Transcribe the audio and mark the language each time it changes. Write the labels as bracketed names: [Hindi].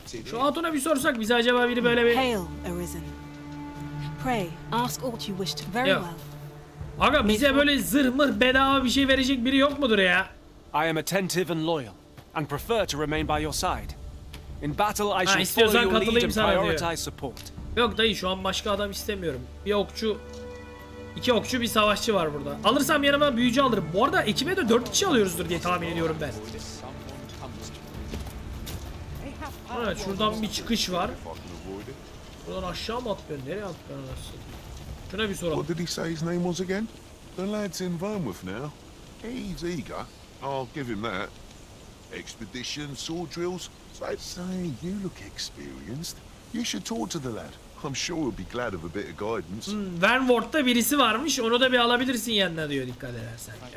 [Turkish] Şu hatuna bir sorsak bize acaba biri böyle bir... [English] Hail Arisen. Pray, ask all you wished very well. Aga bize böyle zırh mırh bedava bir şey verecek biri yok mudur ya? I am attentive and loyal, and prefer to remain by your side. In battle, I ha, shall follow your lead and prioritize support. [Turkish] Yok dayı, şu an başka adam istemiyorum. Bir okçu, iki okçu, bir savaşçı var burada. Alırsam yanıma büyücü alırım. Bu arada ekibe de 4 kişi alıyoruzdur diye tahmin ediyorum ben. Evet, şuradan bir çıkış var. Buradan aşağı mı atlıyor? Nereye atlıyor anasını? Şuna bir soralım. [English] What did he say his name was again? The lad's in Vermouth now. He's eager. I'll give him that. Expedition, sword drills. I'd say you look experienced. You should talk to the lad. I'm sure he'll be glad of a bit of guidance. [Turkish] Hmm, Vermouth'ta birisi varmış. Onu da bir alabilirsin yanına diyor, dikkat edersen.